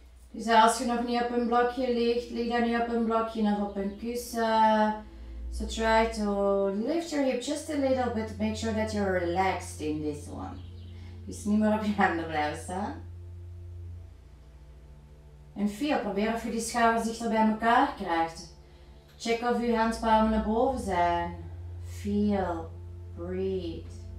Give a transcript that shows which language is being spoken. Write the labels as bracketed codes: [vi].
[nl] Dus als je nog niet op een blokje ligt, lig dan niet op een blokje of op een kussen. [en] So try to lift your hip just a little bit. Make sure that you're relaxed in this one. [nl] Dus niet meer op je handen blijven staan. En vier, probeer of je die schouders dichter bij elkaar krijgt. Check of je handpalmen naar boven zijn. [en] Feel, breathe.